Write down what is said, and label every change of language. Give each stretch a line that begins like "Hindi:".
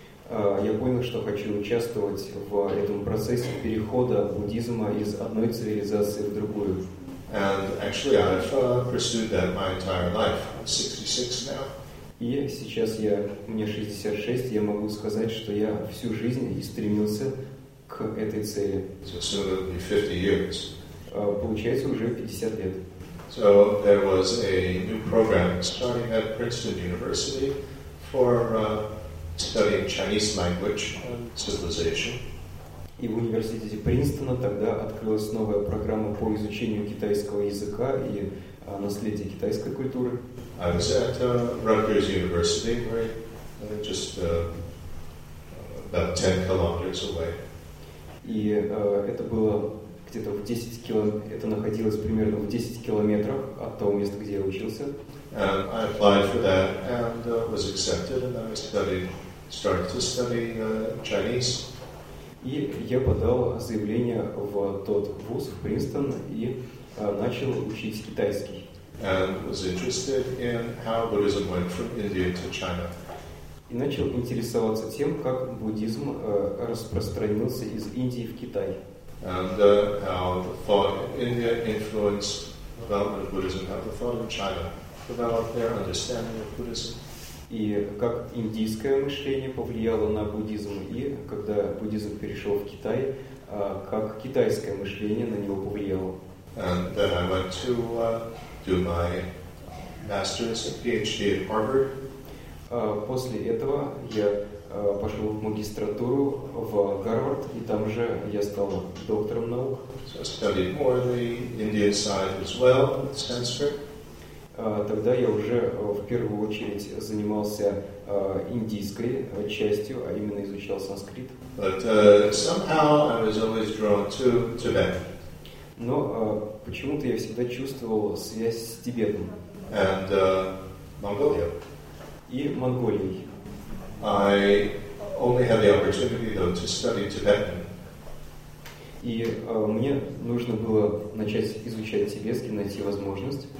Russian: Я понял, что хочу участвовать в этом процессе перехода буддизма из одной цивилизации в другую.
English: And actually I've pursued that my entire life. I'm 66 now.
Russian: И сейчас мне 66, я могу сказать, что я всю жизнь и стремился к этой цели.
English: So soon it'll be 50 years.
Russian: Получается уже 50 лет.
English: So there was a new program starting at Princeton University for studying Chinese language and civilization.
Russian: И в университете Принстона тогда открылась новая программа по изучению китайского языка и наследия китайской культуры.
English: I was at Rutgers University, right? Just about 10 kilometers away.
Russian: И это было где-то в 10 километров, это находилось примерно в 10 километрах от того места, где я учился.
English: I applied for that and was accepted, and then I started to study Chinese.
Russian: И я подал заявление в тот вуз, в Принстон, и начал учить китайский.
English: And was interested in how Buddhism went from India to China.
Russian: И начал интересоваться тем, как буддизм распространился из Индии в Китай.
English: And how the thought of India influenced development of Buddhism, how the thought of China developed their understanding of Buddhism.
Russian: И как индийское мышление повлияло на буддизм, и когда буддизм перешел в Китай, как китайское мышление на него повлияло.
English: And then I went to do my master's and PhD at Harvard.
Russian: После этого я пошел в магистратуру в Гарвард, и там же я стал доктором наук.
English: So I studied more the Indian side as well, at Stanford.
Russian: Тогда я уже в первую очередь занимался индийской частью, а именно изучал санскрит.
English: But somehow I was always drawn to Tibet.
Russian: Но почему-то я всегда чувствовал связь с Тибетом.
English: And Mongolia.
Russian: И Монголией.
English: I only had the opportunity, though, to study Tibetan.
Russian: И мне нужно было начать изучать тибетский, найти возможность.